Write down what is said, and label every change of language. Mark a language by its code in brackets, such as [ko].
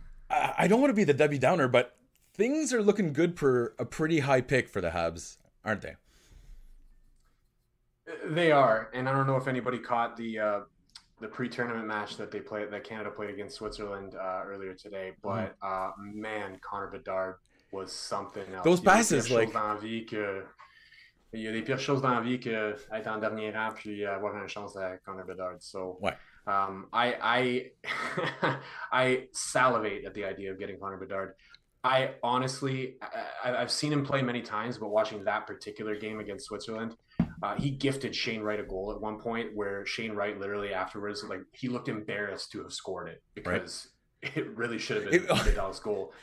[en] I don't want to be the Debbie Downer, but things are looking good for a pretty high pick for the Habs, aren't they? They are, and I don't know if anybody caught the pre-tournament match that they played, that Canada played against Switzerland earlier today. But man, Connor Bedard was something Those else. [fr] Il y a des dans la vie que il y a des pires choses dans la vie que être en dernier rang puis avoir une chance à Connor Bedard. [en] So I salivate at the idea of getting Connor Bedard. I honestly, I've seen him play many times, but watching that particular game against Switzerland, he gifted Shane Wright a goal at one point where Shane Wright literally afterwards, like, he looked embarrassed to have scored it because it really should have been Bedard's goal.